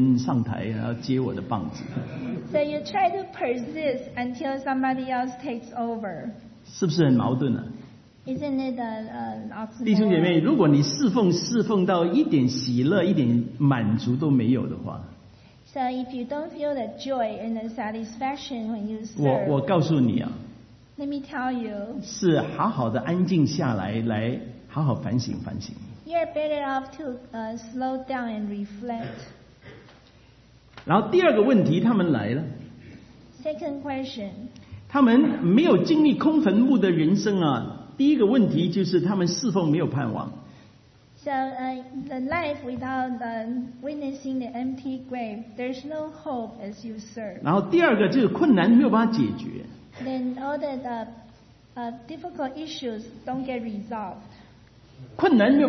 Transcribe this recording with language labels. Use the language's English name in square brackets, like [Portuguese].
[Chinese] 你就想说，就这样撑下去，看能不能撑到有另外一个人上台，然后接我的棒子。 [English] So you try to persist until somebody else takes over. [Chinese] 是不是很矛盾啊？ [English] Isn't it an oxymoron? [Chinese] 弟兄姐妹，如果你侍奉到一点喜乐、一点满足都没有的话。 [English] So if you don't feel the joy and the satisfaction when you serve, [Chinese] 我告诉你啊, [English] let me tell you, [Chinese] 是好好的安静下来，来好好反省反省。 [English] You're better off to slow down and reflect. [Chinese] 然后第二个问题，他们来了。 [English] Second question. [Chinese] 他们没有经历空坟墓的人生啊，第一个问题就是他们侍奉没有盼望。 [English] So the life without witnessing the empty grave, there's no hope as you serve. [Chinese] 然后第二个就是困难没有办法解决。 [English] Then all the difficult issues don't get resolved.